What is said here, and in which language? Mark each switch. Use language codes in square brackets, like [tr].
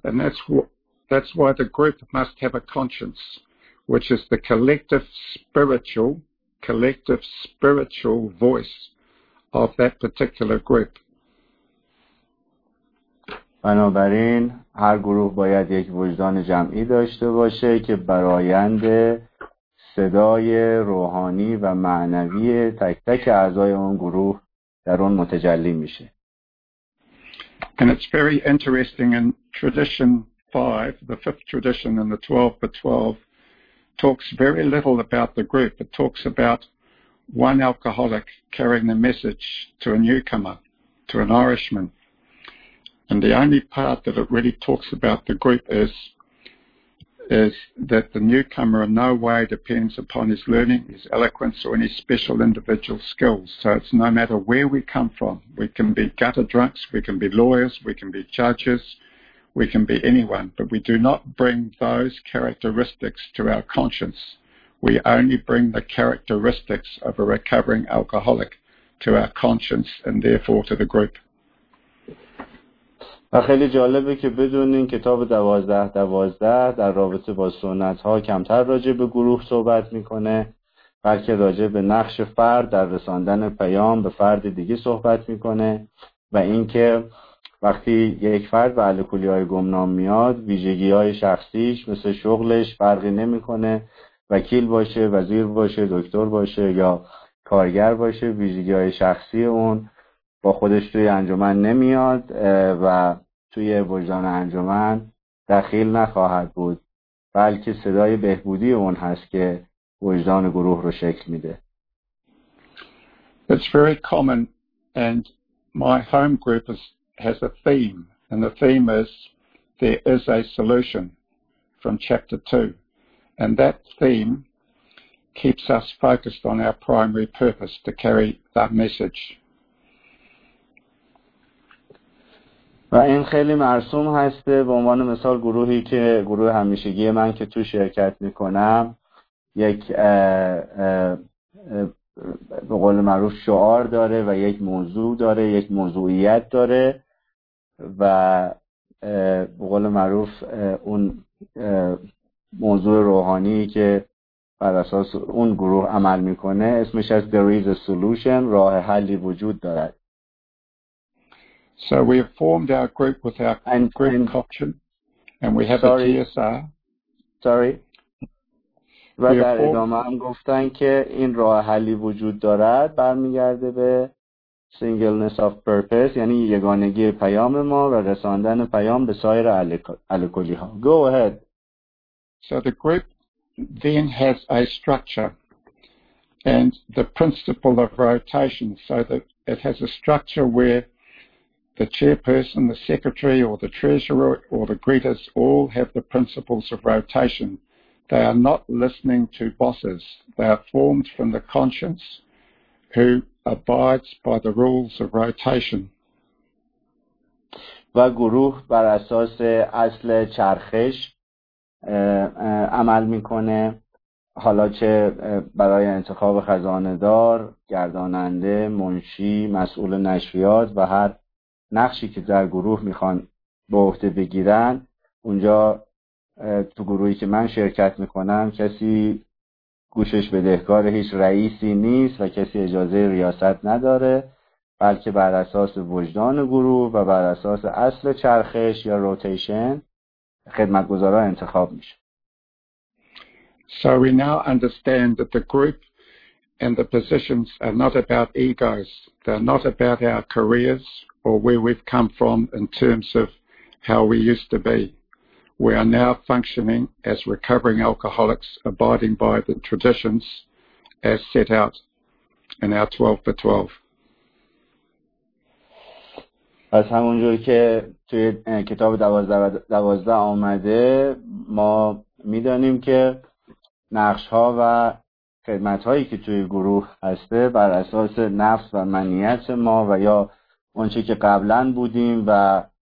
[en] And that's why the group must have a conscience. which is the collective spiritual voice of that particular group. [fa] بنابراین هر گروه باید یک وجدان جمعی داشته باشه که برایند صدای روحانی و معنوی تک تک اعضای اون گروه در اون متجلی میشه. [en] And it's very interesting in tradition 5, the fifth tradition and the 12 by 12 talks very little about the group. It talks about one alcoholic carrying the message to a newcomer, to an Irishman. And the only part that it really talks about the group is that the newcomer in no way depends upon his learning, his eloquence, or any special individual skills. So it's no matter where we come from. We can be gutter drunks, we can be lawyers, we can be judges, we can be anyone. But we do not bring those characteristics to our conscience. We only bring the characteristics of a recovering alcoholic to our conscience and therefore to the group. [fa] و خیلی جالبه که بدونین کتاب 12-12 در رابطه با سنت ها کمتر راجع به گروه صحبت میکنه، بلکه راجع به نقش فرد در رساندن پیام به فرد دیگه صحبت میکنه و اینکه وقتی یک فرد به الکلی های گمنام میاد، ویژگی های شخصیش مثل شغلش فرقی نمیکنه، وکیل باشه، وزیر باشه، دکتر باشه یا کارگر باشه، ویژگی های شخصی اون با خودش توی انجمن نمیاد و توی وجدان انجمن دخیل نخواهد بود، بلکه صدای بهبودی اون هست که وجدان گروه رو شکل میده. [en] It's very common and my home group has a theme and the theme is there is a solution from chapter 2 and that theme keeps us focused on our primary purpose to carry that message. [fa] و این خیلی مرسوم هسته. به عنوان مثال گروهی که گروه همیشگی من که تو شرکت میکنم یک به قول معروف شعار داره و یک موضوع داره، یک موضوعیت داره و به قول معروف اون موضوع روحانی که بر اساس اون گروه عمل میکنه اسمش از [en] There is a solution، [fa] راه حلی وجود دارد. [en] So we have formed our group with our group caption and we have a TSR. Sorry. [fa] و در ادامه هم گفتن که این راه حلی وجود دارد، برمیگرده به [en] singleness of purpose، [fa] یعنی یگانگی پیام ما و رساندن پیام به سایر الکلی ها. [en] Go ahead. So the group then has a structure and the principle of rotation so that it has a structure where the chairperson, the secretary, or the treasurer, or the greeters all have the principles of rotation. They are not listening to bosses. They are formed from the conscience who abides by the rules of rotation. [fa] و گروه بر اساس اصل چرخش عمل میکنه، حالا چه برای انتخاب خزانه دار، گرداننده، منشی، مسئول نشریات و هر نقشی که در گروه میخوان به عهده بگیرن، اونجا تو گروهی که من شرکت میکنم کسی گوشش بدهکار هیچ رئیسی نیست و کسی اجازه ریاست نداره، بلکه بر اساس وجدان گروه و بر اساس اصل چرخش یا روتیشن خدمتگزارا انتخاب میشه. [en] So we now understand that the group and the positions are not about egos. They're not about our careers or where we've come from in terms of how we used to be. We are now functioning as recovering alcoholics abiding by the traditions as set out in our 12 by 12. [fa] از همونجور که توی کتاب 12-12 آمده، ما میدانیم که نقش‌ها و خدمت‌هایی که توی گروه هسته بر اساس نفس و منیت ما و یا اونچه که قبلا بودیم و